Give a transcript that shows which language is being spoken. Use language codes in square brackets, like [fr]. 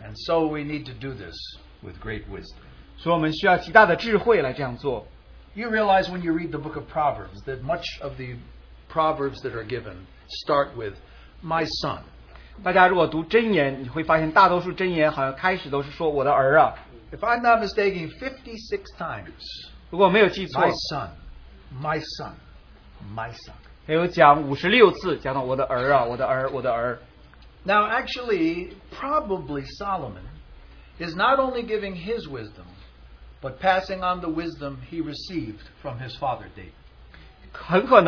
[en] And so we need to do this with great wisdom. [zh] 所以我们需要极大的智慧来这样做。 [en] You realize when you read the book of Proverbs that much of the Proverbs that are given start with, my son. [zh] 大家如果读真言,你会发现大多数真言好像开始都是说我的儿啊。 [en] If I'm not mistaken, 56 times, [zh] 如果没有记错, [en] my son. [zh] 还有讲56次,讲到我的儿啊,我的儿,我的儿。 [en] Now actually, probably Solomon is not only giving his wisdom, but passing on the wisdom he received from his father David.